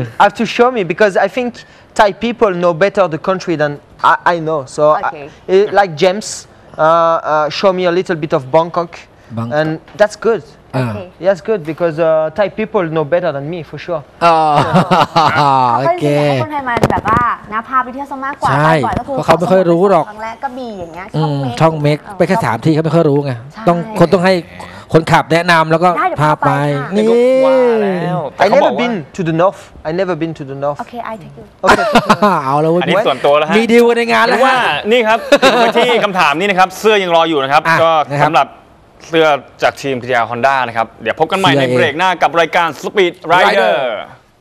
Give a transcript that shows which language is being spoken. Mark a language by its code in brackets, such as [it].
[en] have to show me because I think Thai people know better the country than I know so like James show me a little bit of Bangkok and that's good okay that's good because Thai people know better than me for sure [th] โอเค คนไทยมาแบบว่านะพาไปเที่ยวซะมากกว่า ใช่เพราะเขาไม่ค่อยรู้หรอก และกระบี่อย่างเงี้ย ช่องเม็กช่องเม็กไปแค่3ที่เขาไม่ค่อยรู้ไงต้ องคนต้องให้คนขับแนะนำแล้วก็พาไป นี่ [en] I never been to the north I never been to the north okay I take you [th] okay เอา แล้วอันนี้ส่วนตัวแล้วฮะ มีดีลกันในงานแล้ว ว่านี่ครับที่คำถามนี่นะครับเสื้อยังรออยู่นะครับก็สำหรับเสื้อจากทีมพิทยาฮอนด้านะครับเดี๋ยวพบกันใหม่ในเบรกหน้ากับรายการ Speed Rider